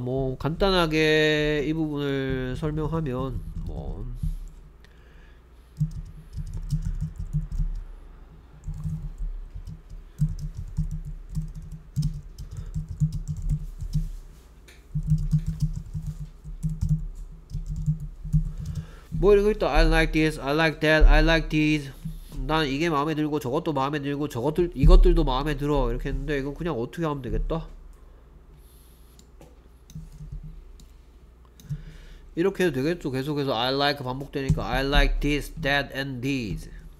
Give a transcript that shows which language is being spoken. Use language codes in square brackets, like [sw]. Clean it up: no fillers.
[ko] 뭐 간단하게 이 부분을 설명하면 뭐 뭐 이런 거 있다. [en] I like this, I like that, I like these. [ko] 난 이게 마음에 들고 저것도 마음에 들고 저것들 이것들도 마음에 들어 이렇게 했는데 이건 그냥 어떻게 하면 되겠다. 이렇게 해도 되겠죠. 계속해서 I like 반복되니까 [en] I like this, that and these.